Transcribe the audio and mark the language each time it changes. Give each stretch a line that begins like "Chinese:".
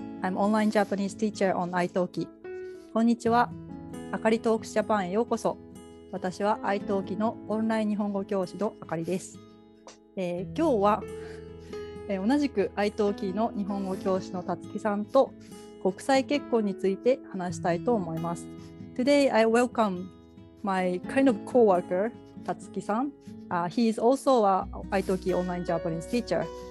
English: I'm online Japanese teacher on iTalki.
Japanese: こんにちは。 Akari Talks Japan へようこそ。私は iTalki のオンライン日本語教師の Akari です。今日は、同じく iTalki の日本語教師のたつきさんと国際結婚について話したいと思います。
English: Today, I welcome my kind of co-worker, Tatsuki-san. He is also a iTalki online Japanese teacher.